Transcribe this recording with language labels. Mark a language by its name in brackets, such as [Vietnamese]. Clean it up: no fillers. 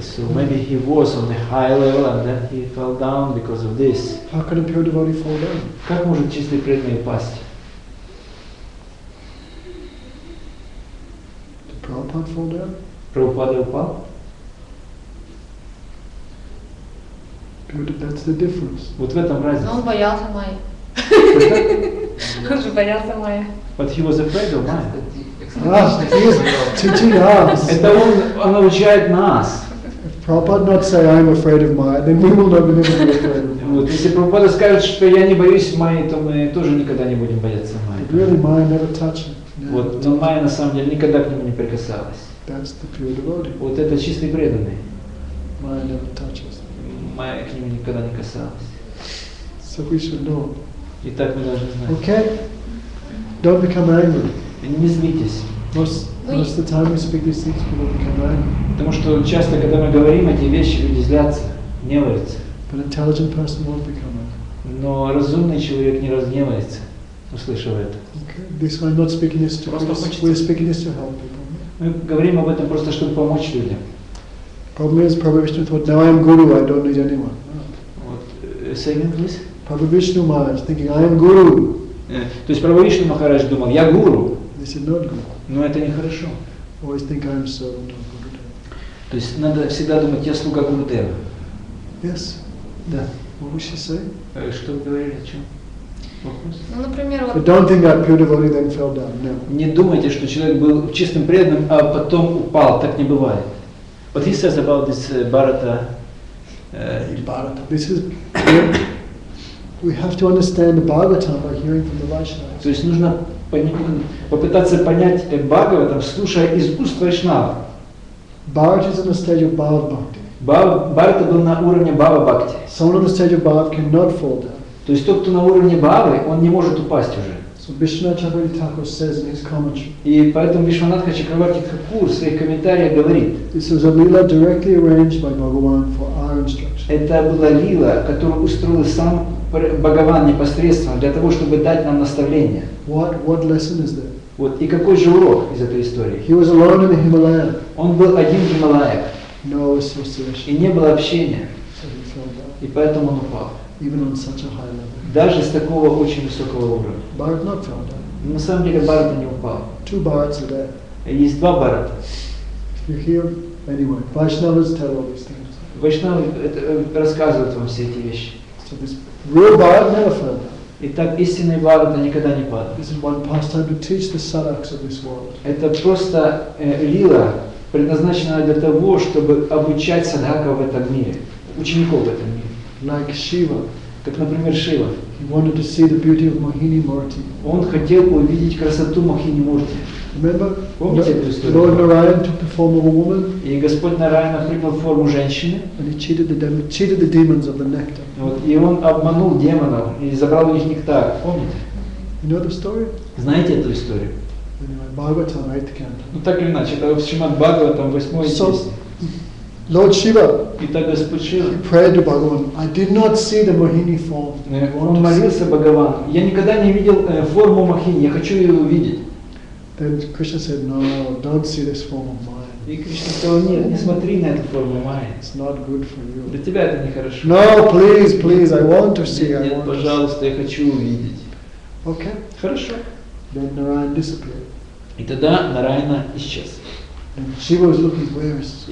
[English] So maybe he was on a high level and then he fell down because of this. How can a pure devotee fall down? [Russian] Как может чистый преданный упасть? [English] Did Prabhupada fall down? [Russian] Prabhupada упал? [English] Good, that's the difference. [Russian] Вот в этом разница. Он боялся Майи. Он же боялся Майи. [English] But he was afraid of Майи. That's the [Russian] Это он обучает нас. [English] Prabhupada not say I'm afraid of Maya, then we will never be afraid of Maya. [Russian] Вот если Прабхупада скажет, что я не боюсь Майи, то мы тоже никогда не будем бояться Майи. [English] Really, Maya never touched. [Russian] Вот, но Майя на самом деле никогда к нему не прикасалась. [English] That's the pure devotee. [Russian] Вот это чистый преданный. [English] Maya never touches. [Russian] Майя к нему никогда не касалась. [English] So we should know. [Russian] И так мы должны знать. [English] Okay. Don't become angry. [Russian] Не злитесь. [English] Most of the time we speak these things, people become angry. [Russian] Потому что часто, когда мы говорим эти вещи, люди злятся, гневаются. [English] But intelligent person won't become angry. [Russian] Но разумный человек не разгневается, услышав это. [English] Okay. This one, not speaking this to [Russian] просто [English] people. We're speaking this to help people. [Russian] Мы говорим об этом просто, чтобы помочь людям. [English] Problem is, Prabhupada Vishnu thought, now I'm guru, I don't need anyone. Вот, say again, please. Prabhupada Vishnu Maharaj thinking, I am guru. [Russian] То есть Прабху Вишну Махарадж думал, я гуру. [English] This is not guru. [Russian] Но это нехорошо. [English] Always think I'm servant of Gurudev. [Russian] То есть надо всегда думать, я слуга Гурудева. [English] Yes. [Russian] Да. [English] What would she say? [Russian] Что вы говорили, о чем? Ну, например, вот. [English] Don't think that pure devotee then fell down. No. [Russian] Не думайте, что человек был чистым преданным, а потом упал. Так не бывает. [English] What he says about this Bharata. Bharata. This is. We have to understand the Bhagavatam by hearing from the Vaishnavas. [Russian] То есть нужно попытаться понять Бхагаватам, слушая из уст Вайшнава. [English] Bharat is on the stage of Bhava Bhakti. [Russian] Bharat был на уровне Bhava Bhakti. [English] Someone on the stage of Bhava cannot fall down. [Russian] То есть тот, кто на уровне Бхавы, он не может упасть уже. [English] So Bishwanath Chakravarti Thakur says in his commentary. [Russian] И поэтому Бишванат Хачакраварти Такур в своих комментариях говорит. [English] This was a lila directly arranged by Bhagavan for our instruction. [Russian] Это была лила, которую устроил сам Бхагаван непосредственно для того, чтобы дать нам наставление. [English] What lesson is there? [Russian] Вот, и какой же урок из этой истории? [English] He was alone in the Himalaya. [Russian] Он был один в Гималаях. [English] No association. [Russian] И не было общения. [English] So [Russian] и поэтому он упал. [English] Even on such a high level. [Russian] Даже с такого очень высокого уровня. [English] Bharat not fell down. [Russian] На самом деле Bharat не упал. [English] Two Bharats are there. [Russian] Есть два Bharata. [English] You hear anyway. Vaishnavas tell all these things. [Russian] Vaishnavas рассказывают вам все эти вещи. [English] So this real Bharat never fell down. [Russian] Итак, истинный Бхагавата никогда не падает. [English] This is one pastime to teach the sadhaks of this world. [Russian] Это просто лила, предназначенная для того, чтобы обучать садхаков в этом мире, учеников в этом мире. [English] Like Shiva. [Russian] Как, например, Шива. [English] He wanted to see the beauty of Mohini Murti. [Russian] Он хотел увидеть красоту Мохини Мурти. [English] Remember? [Russian] Помните эту историю? [English] Lord Narayan took the form of a woman. [Russian] И Господь Нараяна принял форму женщины. [English] And he cheated the demons of the nectar. [Russian] Вот, и он обманул демонов и забрал у них нектар. Помните? [English] You know the story? [Russian] Знаете эту историю? [English] Anyway, Bhagavatam, 8th canto. [Russian] Ну так или иначе, это Шримад Бхагаватам, 8-й песни. [English] Lord Shiva. [Russian] Итак, Господь Шива. [English] He prayed to Bhagavan. I did not see the Mohini form. [Russian] Он молился Бхагаван. Я никогда не видел форму Мохини. Я хочу ее увидеть. [English] Then Krishna said, No, don't see this form of mine. [Russian] И Кришна сказал, нет, не смотри на эту форму Майи. [English] It's not good for you. [Russian] Для тебя это нехорошо. [English] No, please, I want to see. [Russian] Нет, пожалуйста, я хочу увидеть. [English] Okay. [Russian] Хорошо. [English] Then Narayana disappeared. [Russian] И тогда Нараяна исчез. [English] And Shiva was looking, where is